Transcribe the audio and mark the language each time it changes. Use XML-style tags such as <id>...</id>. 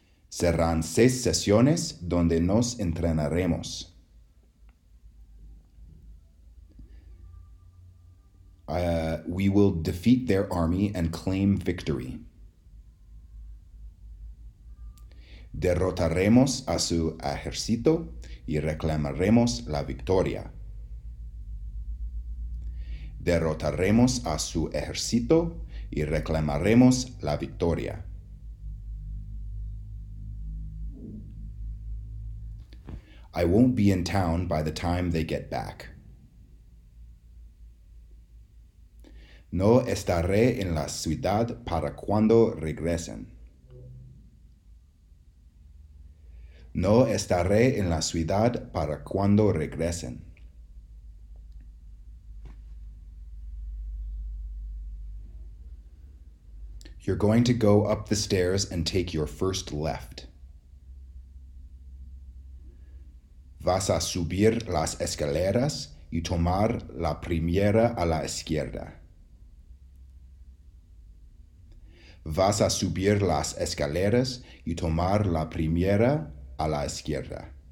<es>Serán 6 sesiones donde nos entrenaremos.</es> <en>We will defeat their army and claim victory.</en> <es>Derrotaremos a su ejército y reclamaremos la victoria. Derrotaremos a su ejército y reclamaremos la victoria.</es> <en>I won't be in town by the time they get back.</en> <es>No estaré en la ciudad para cuando regresen. No estaré en la ciudad para cuando regresen.</es> <en>You're going to go up the stairs and take your first left.</en> <es>Vas a subir las escaleras y tomar la primera a la izquierda. Vas a subir las escaleras y tomar la primera a la izquierda.</es>